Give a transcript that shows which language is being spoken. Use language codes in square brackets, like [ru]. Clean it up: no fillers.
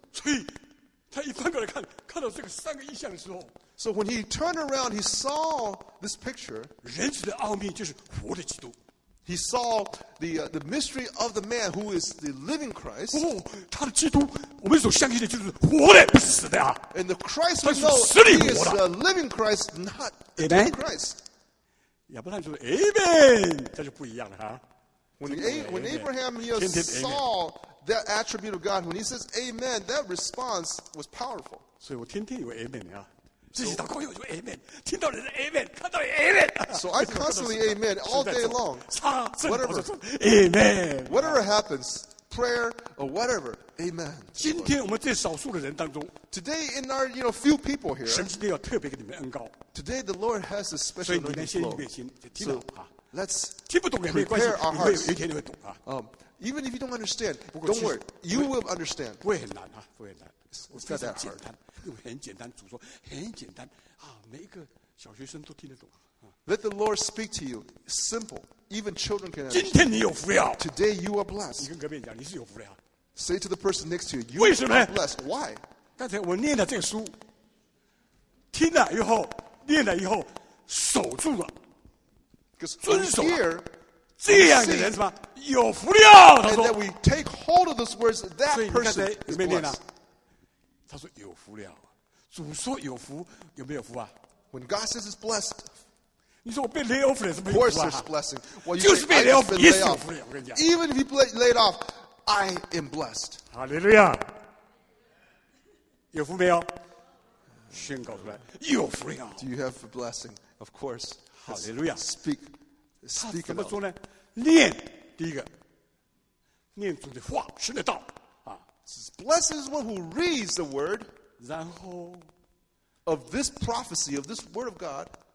[zh] 所以他一翻过来看，看到这个三个意象的时候 [en] ，So when he turned around, he saw this picture. [zh] 人子的奥秘就是活的基督。 [en] He saw the mystery of the man who is the living Christ. [zh] 哦，他的基督，我们所相信的就是活的，不是死的啊。 [en] And the Christ we know is a living Christ, not a dead Christ. [zh] 亚伯拉罕就是 Amen， 这就不一样了哈。 [en] When Abraham here saw. That attribute of God, when he says Amen, that response was powerful. So I [zh] 天天有 Amen 啊，自己祷告有就 Amen， 听到人的 Amen， 看到 Amen。 [en] So I constantly Amen all day long. Whatever Amen, whatever happens, prayer or whatever, Amen. [zh] 今天我们这少数的人当中 [en] ，today in our you know few people here， [zh] 神今天要特别给你们恩膏。 [en] Today the Lord has a special flow. [zh] 所以你们先预备心，听懂哈。 [en] Let's [zh] 听不懂也没关系，你会有一天你会懂啊。 [en] Even if you don't understand, don't worry. You will understand. [zh] 不会很难啊，不会很难。 [en] It's not that hard. [zh] 简单，因为很简单，主说很简单啊，每一个小学生都听得懂。 [en] Let the Lord speak to you. Simple. Even children can understand. [zh] 今天你有福了。 [en] Today you are blessed. [zh] 你跟隔壁讲，你是有福了。 [en] Say to the person next to you, you are blessed. Why? [zh] 刚才我念了这个书，听了以后，念了以后，守住了，遵守了。这样的人是吧？有福了。他说 [en] ，And that we take hold of those words, that person is blessed. [zh] 他说有福了。主说有福，有没有福啊？ [en] When God says it's blessed, [zh] 你说我被 lay off 了，什么福啊？ [en] Of course it's blessing. Well, [zh] 就是被 lay off， 也是有福的。我跟你讲， [en] even if you laid off, I am blessed. [zh] Hallelujah. 有福没有？宣告出来，有福呀！ [en] Do you have a blessing? Of course. Hallelujah. Speak. Speak. [zh] 怎么说呢？念第一个，念主的话，神的道啊。 [en] Blessed is one who reads the word. [zh] 然后 [en] ，of this prophecy, of this word of God,